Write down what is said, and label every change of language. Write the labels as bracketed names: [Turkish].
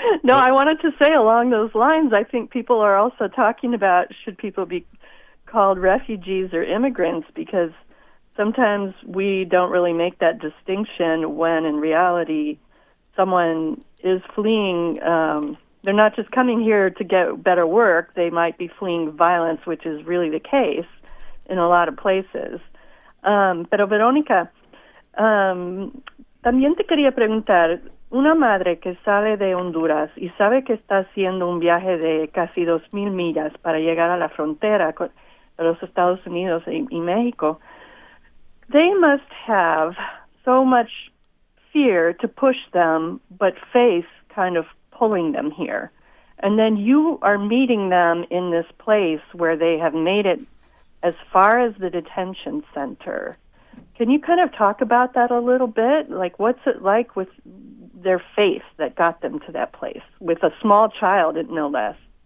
[English] No, I wanted to say along those lines, I think people are also talking about should people be called refugees or immigrants, because sometimes we don't really make that distinction when in reality someone is fleeing, they're not just coming here to get better work, they might be fleeing violence, which is really the case in a lot of places. [Spanish] Pero Verónica, también te quería preguntar, una madre que sale de Honduras y sabe que está haciendo un viaje de casi 2,000 millas para llegar a la frontera con los Estados Unidos y México, [English] they must have so much fear to push them, but faith kind of pulling them here. And then you are meeting them in this place where they have made it as far as the detention center. Can you kind of talk about that a little bit? Like, what's it like with their faith that got them to that place, with a small child, no less?